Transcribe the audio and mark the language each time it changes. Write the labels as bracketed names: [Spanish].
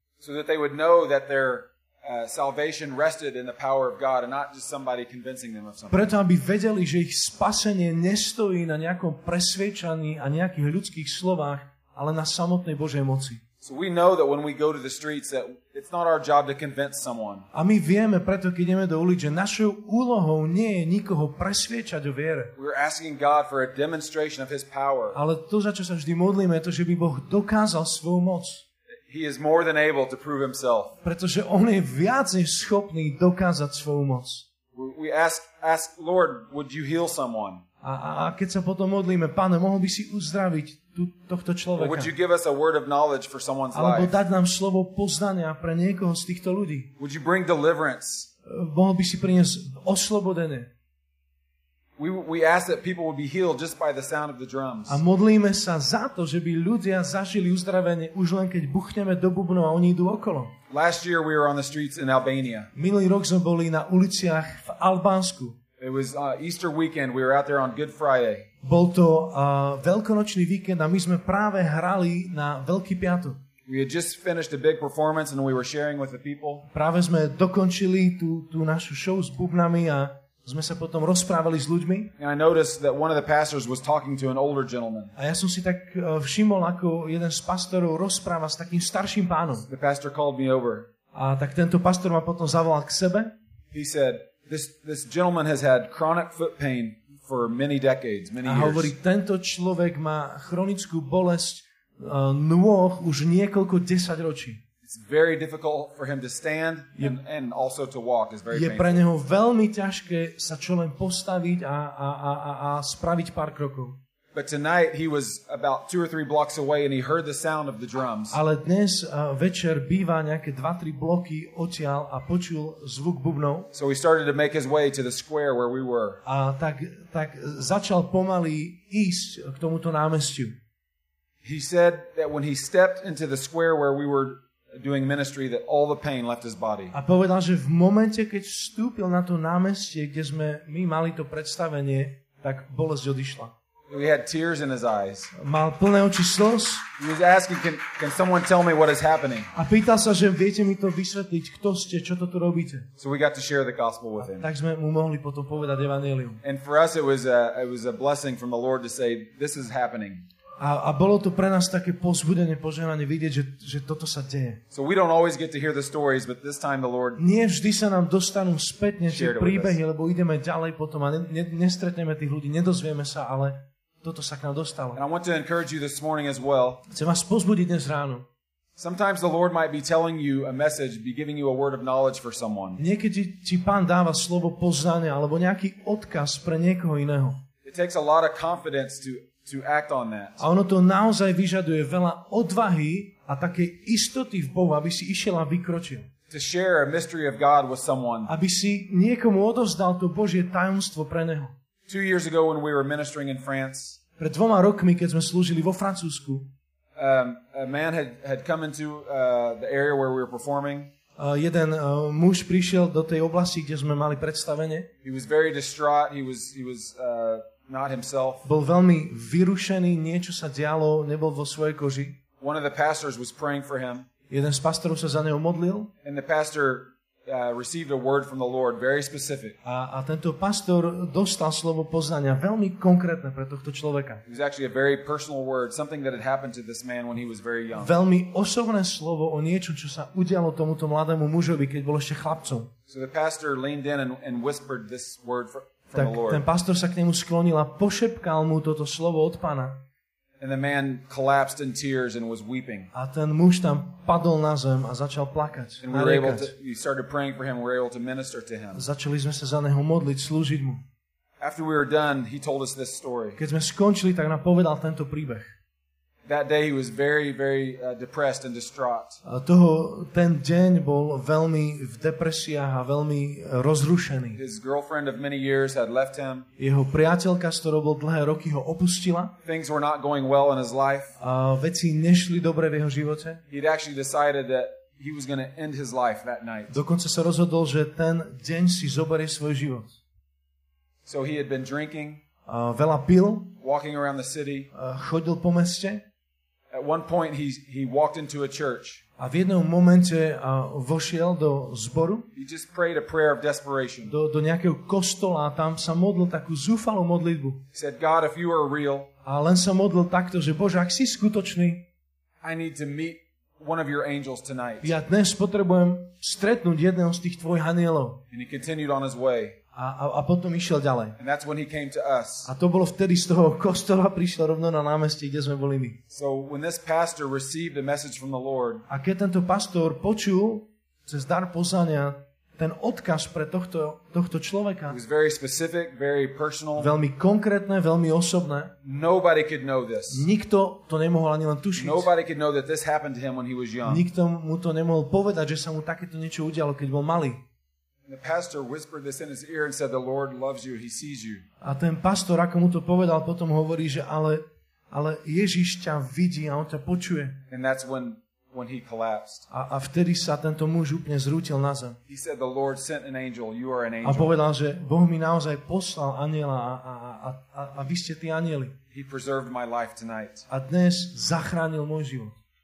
[English] So that they would know that their salvation rested in the power of God and not just somebody convincing them of something. [Slovak] Preto aby vedeli, že ich spasenie nestojí na nejakom presvedčaní a nejakých ľudských slovách, ale na samotnej Božej moci. [English] So we know that when we go to the streets that it's not our job to convince someone. [Slovak] A my vieme, preto keď ideme do ulic, že našou úlohou nie je nikoho presviečať o viere. [English] We're asking God for a demonstration of his power. [Slovak] Ale to, za čo sa vždy modlíme, je to, že by Boh dokázal svoju moc. [English] He is more than able to prove himself. [Slovak] Pretože on je viac než schopný dokázať svoju moc. [English] We ask, Lord, would you heal someone? [Slovak] A keď sa potom modlíme, Pane, mohol by si uzdraviť tohto človeka? [English] Or would you give us a word of knowledge for someone's [Slovak] alebo [English] life? [Slovak] Alebo dať nám slovo poznania pre niekoho z týchto ľudí? [English] Would you bring deliverance? [Slovak] Mohol by si priniesť oslobodenie? [English] We ask that people would be healed just by the sound of the drums. [Slovak] A modlíme sa za to, že by ľudia zažili uzdravenie už len keď buchneme do bubnov a oni idú okolo. [English] Last year we were on the streets in Albania. [Slovak] Minulý rok sme boli na uliciach v Albánsku. [English] It was Easter weekend. We were out there on Good Friday. [Slovak] Bol to veľkonočný víkend a my sme práve hrali na Veľký piatok. [English] We had just finished a big performance and we were sharing with the people. [Slovak] Práve sme dokončili tú našu show s bubnami a sme sa potom rozprávali s ľuďmi. [English] And I noticed that one of the pastors was talking to an older gentleman. [Slovak] A ja som si tak všimol, ako jeden z pastorov rozpráva s takým starším pánom. [English] The pastor called me over. [Slovak] A tak tento pastor ma potom zavolal k sebe. [English] He said, This gentleman has had chronic foot pain for many decades, many years. [Slovak] A hovorí, tento človek má chronickú bolesť nôh už niekoľko desaťročí. [English] It's very difficult for him to stand and also to walk. It's very painful. [Slovak] Je pre neho veľmi ťažké sa čo len postaviť a spraviť pár krokov. [English] But tonight he was about 2 or 3 blocks away and he heard the sound of the drums. [Slovak] Ale dnes večer býva nejaké 2-3 bloky odtiaľ a počul zvuk bubnov. [English] So he started to make his way to the square where we were. [Slovak] A tak začal pomaly ísť k tomuto námestiu. [English] He said that when he stepped into the square where we were doing ministry that all the pain left his body. [Slovak] A povedal, že v momente, keď vstúpil na to námestie, kde sme my mali to predstavenie, tak bolesť odišla. [English] He had tears in his eyes. [Slovak] Mal plné oči slz. [English] He was asking, can someone tell me what is happening? [Slovak] A pýtal sa, že viete mi to vysvetliť, kto ste, čo to tu robíte? [English] So we got to share the gospel with him. [Slovak] Tak sme mu mohli potom povedať evanjelium. [English] And for us it was a blessing from the Lord to say this is happening. [Slovak] A bolo to pre nás také povzbudenie, požehnanie vidieť, že toto sa deje. [English] So we don't always get to hear the stories, but this time the Lord. [Slovak] Nie vždy sa nám dostanú spätne tie príbehy, lebo ideme ďalej potom a nestretneme tých ľudí, nedozvieme sa, ale toto sa k nám dostalo. [English] And I want to encourage you this morning as well. [Slovak] Chcem vás povzbudiť dnes ráno. [English] Sometimes the Lord might be telling you a message, be giving you a word of knowledge for someone. [Slovak] Niekedy ti Pán dáva slovo poznania alebo nejaký odkaz pre niekoho iného. [English] It takes a lot of confidence to act on that. [Slovak] A ono to naozaj vyžaduje veľa odvahy a také istoty v Bohu, aby si išiel a vykročil. [English] To share a mystery of God with someone. [Slovak] Aby si niekomu odovzdal to Božie tajomstvo pre neho. [English] 2 years ago when we were ministering in France. [Slovak] Pred dvoma rokmi, keď sme slúžili vo Francúzsku. [English] A man had come into the area where we were performing. [Slovak] Jeden muž prišiel do tej oblasti, kde sme mali predstavenie. [English] He was very distraught. He was not himself. [Slovak] Bol veľmi vyrušený, niečo sa dialo, nebol vo svojej koži. [English] One of the pastors was praying for him. [Slovak] Jeden z pastorov sa za neho modlil. [English] And the pastor received a word from the Lord, very specific. [Slovak] A tento pastor dostal slovo poznania, veľmi konkrétne pre tohto človeka. [English] It was actually a very personal word, something that had happened to this man when he was very young. [Slovak] Veľmi osobné slovo o niečom, čo sa udialo tomuto mladému mužovi, keď bol ešte chlapcom. [English] So the pastor leaned in and whispered this word from the Lord. [Slovak] Tak ten pastor sa k nemu sklonil a pošepkal mu toto slovo od Pána. [English] And the man collapsed in tears and was weeping. [Slovak] A ten muž tam padol na zem a začal plakať. [English] And we started praying for him, we were able to minister to him. [Slovak] Začali sme sa za neho modliť, slúžiť mu. [English] After we were done, he told us this story. [Slovak] Keď sme skončili, tak nám povedal tento príbeh. [English] That day he was very, very depressed and distraught. [Slovak] A toho, ten deň bol veľmi v depresiách a veľmi rozrušený. [English] His girlfriend of many years had left him. [Slovak] Jeho priateľka, s ktorou bol dlhé roky, ho opustila. [English] Things were not going well in his life. [Slovak] A veci nešli dobre v jeho živote. [English] He'd actually decided that he was going to end his life that night. [Slovak] Dokonca sa rozhodol, že ten deň si zoberie svoj život. [English] So he had been drinking. [Slovak] Veľa pil. [English] Walking around the city. [Slovak] Chodil po meste. [English] At one point he walked into a church. [Slovak] A v jednom momente vošiel do zboru. [English] He just prayed a prayer of desperation. [Slovak] Do nejakého kostola a tam sa modlil takú zúfalú modlitbu. [English] He said, God, if you are real. [Slovak] A len sa modlil takto, že Bože, ak si skutočný. [English] I need to meet one of your angels tonight. [Slovak] Ja dnes potrebujem stretnúť jedného z tých tvojich anielov. [English] And he continued on his way. [Slovak] A potom išiel ďalej. [English] And that's when he came to us. [Slovak] A to bolo vtedy z toho kostola prišiel rovno na námestie, kde sme boli my. [English] So when this pastor received a message from the Lord. [Slovak] A keď tento pastor počul cez dar poznania ten odkaz pre tohto človeka. [English] It was very specific, very personal. [Slovak] Veľmi konkrétne, veľmi osobné. [English] Nobody could know this. [Slovak] Nikto to nemohol ani len tušiť. [English] Nobody could know that this happened to him when he was young. [Slovak] Nikto mu to nemohol povedať, že sa mu takéto niečo udialo, keď bol malý. [English] The pastor whispered this in his ear and said, "The Lord loves you. He sees you." [Slovak] A ten pastor, ako mu to povedal, potom hovorí, že ale Ježiš ťa vidí a on ťa počuje. [English] And that's when he collapsed. [Slovak] A vtedy sa tento muž úplne zrútil na zem. [English] He said, "The Lord sent an angel. You are an angel." [Slovak] A povedal, že Boh mi naozaj poslal anjela a vy ste tí anjeli. [English] He preserved my life tonight. [Slovak] A dnes zachránil môj život.